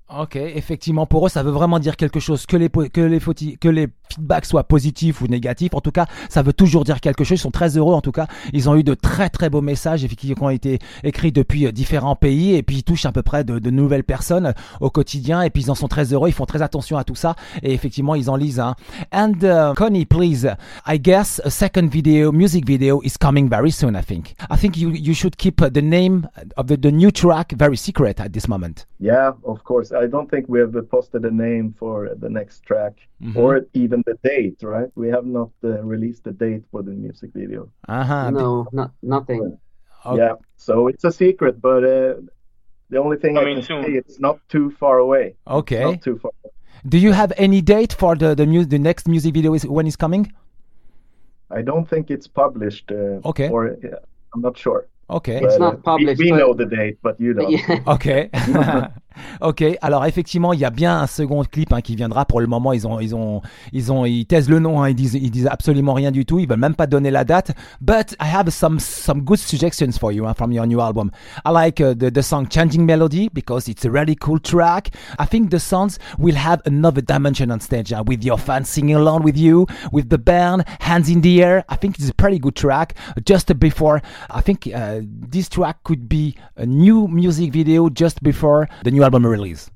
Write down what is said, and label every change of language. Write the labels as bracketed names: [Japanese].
[French] Ok, effectivement, pour eux, ça veut vraiment dire quelque chose. Que les feedbacks soient positifs ou négatifs, en tout cas, ça veut toujours dire quelque chose. Ils sont très heureux, en tout cas. Ils ont eu de très très beaux messages qui ont été écrits depuis différents pays, et puis ils touchent à peu près de nouvelles personnes au quotidien, et puis ils en sont très heureux. Ils font très attention à tout ça, et effectivement, ils en lisent. Hein. [English] And Connie, please, I guess a second video, music video, is coming very soon. I think you should keep the name of the new track very secret at this moment. Yeah, of course. I don't think we have posted a name for the next track or even the date, right? We have not released the date for the music video. No, nothing. Yeah, so it's a secret, but the only thing I mean, can say, it's not too far away. Okay. It's not too far away. Do you have any date for the next music video when it's coming? I don't think it's published. Okay. Or, yeah, I'm not sure. Okay. It's not published. We know the date, but you don't. Yeah. [French] Okay. Okay. Alors effectivement, il y a bien un second clip qui viendra. Pour le moment, ils taisent le nom. Hein. Ils disent absolument rien du tout. Ils veulent même pas donner la date. [English] But I have some good suggestions for you from your new album. I like the song "Changing Melody" because it's a really cool track. I think the songs will have another dimension on stage with your fans singing along with you, with the band, hands in the air. I think it's a pretty good track. Just before, I think this track could be a new music video just before the new album release.